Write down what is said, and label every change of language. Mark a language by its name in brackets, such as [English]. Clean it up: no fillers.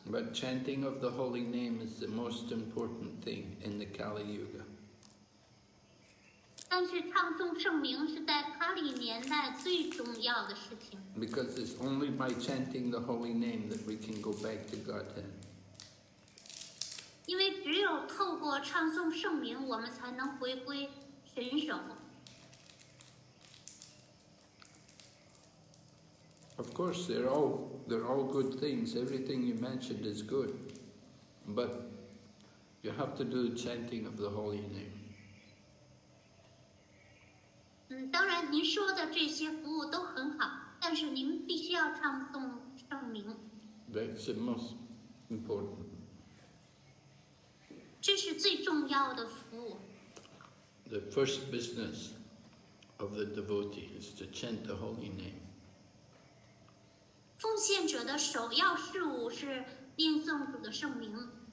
[English] But chanting of the holy name is the most important thing in the Kali Yuga. [Chinese] 但是唱诵圣名是在卡里年代最重要的事情。 [English] Because it's only by chanting the holy name that we can go back to Godhead. [Chinese] 因为只有透过唱诵圣名，我们才能回归神手。 [English] Of course, they're all good things. Everything you mentioned is good, but you have to do the chanting of the holy name. [Chinese] 当然您说的这些服务都很好，但是您必须要唱诵圣名。 [English] That's the most important. [Chinese] 这是最重要的服务。 [English] The first business of the devotee is to chant the holy name. [Chinese] 奉献者的首要事务是念诵主的圣名。